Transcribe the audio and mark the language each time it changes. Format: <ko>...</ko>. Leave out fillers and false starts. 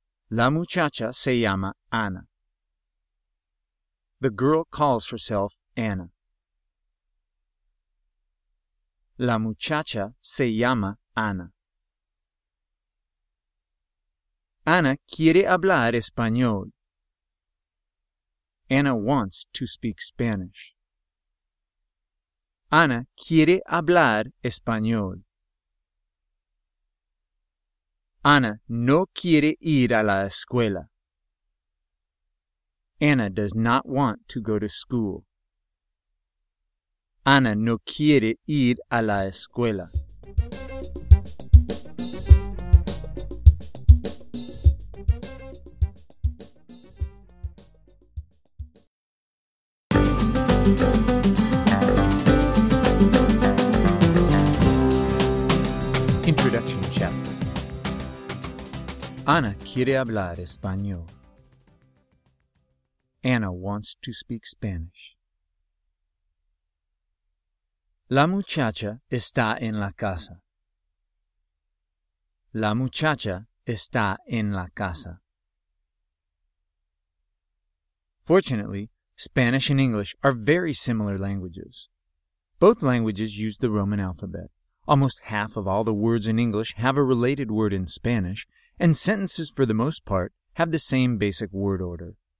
<es>La muchacha se llama Ana.</es> <en>The girl calls herself Ana.</en> <es>La muchacha se llama Ana. Ana quiere hablar español.</es> <en>Ana wants to speak Spanish.</en> <es>Ana quiere hablar español. Ana no quiere ir a la escuela.</es> <en>Ana does not want to go to school.</en> <es>Ana no quiere ir a la escuela.</es> <en>Introduction chapter.</en> <es>Ana quiere hablar español.</es> <en>Ana wants to speak Spanish.</en> <es>La muchacha está en la casa. La muchacha está en la casa.</es> <en>Fortunately, Spanish and English are very similar languages. Both languages use the Roman alphabet. Almost half of all the words in English have a related word in Spanish, and sentences, for the most part, have the same basic word order.</en>